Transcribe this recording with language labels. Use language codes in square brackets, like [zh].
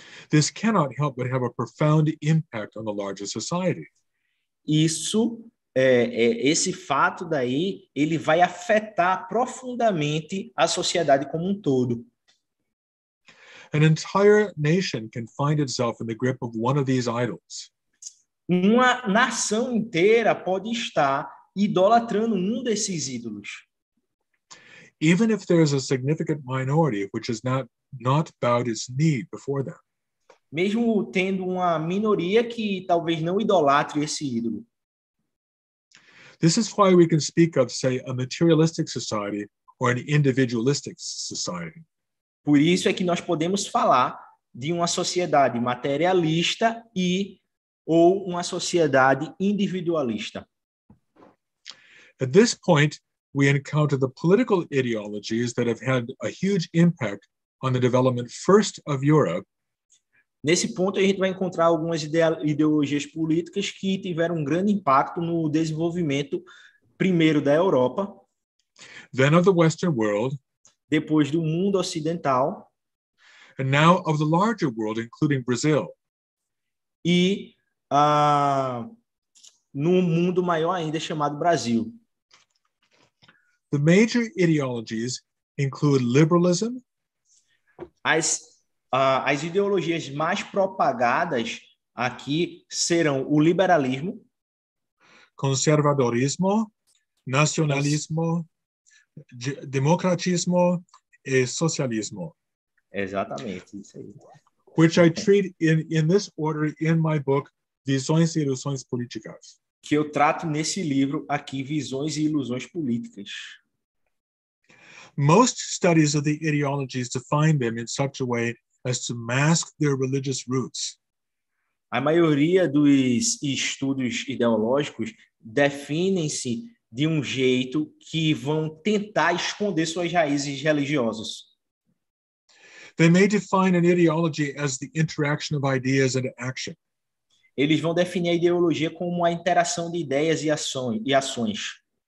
[en] This cannot help but have a profound impact on the larger society. [pt] Esse fato daí, ele vai afetar profundamente a sociedade como um todo. [en] An entire nation can find itself in the grip of one of these idols. [pt] Uma nação inteira pode estar idolatrando um desses ídolos. [en] Even if there is a significant minority which has not bowed its knee before them. [pt] Mesmo tendo uma minoria que talvez não idolatre esse ídolo. [en] This is why we can speak of, say, a materialistic society or an individualistic society. [pt] Por isso é que nós podemos falar de uma sociedade materialista e ou uma sociedade individualista. [en] At this point, we encounter the political ideologies that have had a huge impact on the development first of Europe. [pt] Nesse ponto, a gente vai encontrar algumas ideologias políticas que tiveram um grande impacto no desenvolvimento primeiro da Europa, [en] then of the Western world, [pt] depois do mundo ocidental, [en] and now of the larger world, including Brazil. [pt] E no mundo maior ainda chamado Brasil. [en] The major ideologies include liberalism. [pt] As ideologias mais propagadas aqui serão o liberalismo, conservadorismo, nacionalismo, democratismo e socialismo. Exatamente, isso aí. [en] Which I treat in this order in my book, Visões e Ilusões Políticas. [pt] Que eu trato nesse livro aqui, Visões e Ilusões Políticas. [en] Most studies of the ideologies define them in such a way as to mask their religious roots. [pt] A maioria dos estudos ideológicos definem-se de um jeito que vão tentar esconder suas raízes religiosas. [en] They may define an ideology as the interaction of ideas and action. [pt] Eles vão definir a ideologia como a interação de ideias e ações.